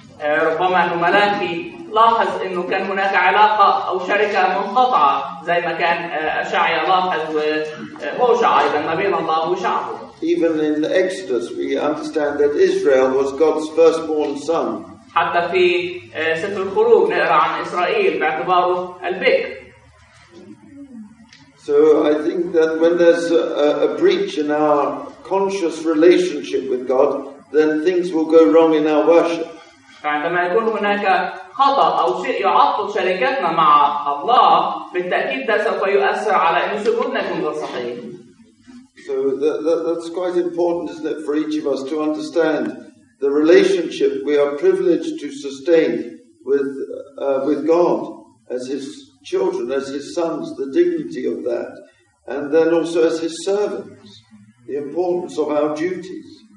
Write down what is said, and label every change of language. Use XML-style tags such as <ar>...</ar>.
<ar>ربما أن ملاكي لاحظ إنه كان هناك علاقة أو شركة منقطعة زي ما كان أشعيا لاحظ وهوشع أيضا ما بين الله وشعبه.</ar> <en>Even in Exodus, we understand that Israel was God's firstborn son.</en> <ar>حتى في سفر الخروج نقرأ عن إسرائيل باعتباره البكر.</ar> <en>So I think that when there's a breach in our conscious relationship with God, then things will go wrong in our worship.</en> <ar>فعندما يكون هناك خطأ أو شيء يعطل شركتنا مع الله بالتأكيد سوف يؤثر على أن سجودنا يكون غير صحيح.</ar> <en>So that's quite important, isn't it, for each of us to understand the relationship we are privileged to sustain with God as His children, as His sons, the dignity of that, and then also as His servants, the importance of our duties.</en>